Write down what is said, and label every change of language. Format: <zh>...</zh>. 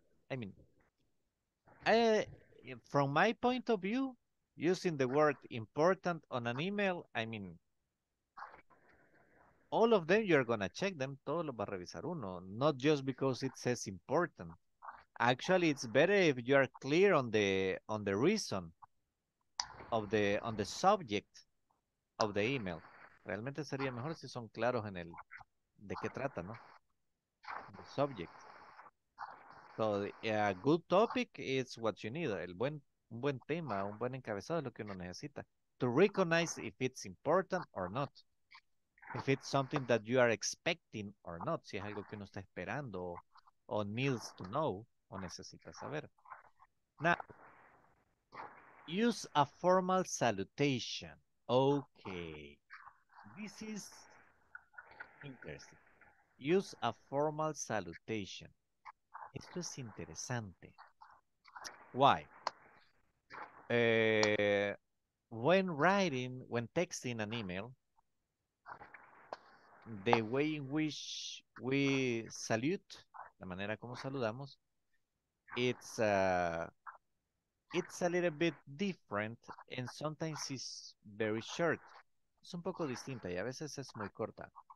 <en>I mean, from my point of view, using the word important on an email, I mean, all of them, you're going to check them.</en> <es>Todo lo va a revisar uno.</es> <en>Not just because it says important. Actually, it's better if you are clear on the reason of the on the subject of the email.</en> <es>Realmente sería mejor si son claros en el de qué trata, ¿no?</es> <en>The subject. So a good topic is what you need.</en> <es>El buen un buen tema, un buen encabezado es lo que uno necesita.</es> <en>To recognize if it's important or not. If it's something that you are expecting or not.</en> <es>Si es algo que uno está esperando o</es> <en>needs to know</en> <es>o necesita saber.</es> <en>Now, use a formal salutation. Okay. This is interesting. Use a formal salutation.</en> <es>Esto es interesante.</es> <en>Why? When writing, when texting an email, the way in which we salute,</en> <es>la manera como saludamos,</es> <en>it's a little bit different and sometimes it's very short.</en> <es>Es un poco distinta y a veces es muy corta.</es>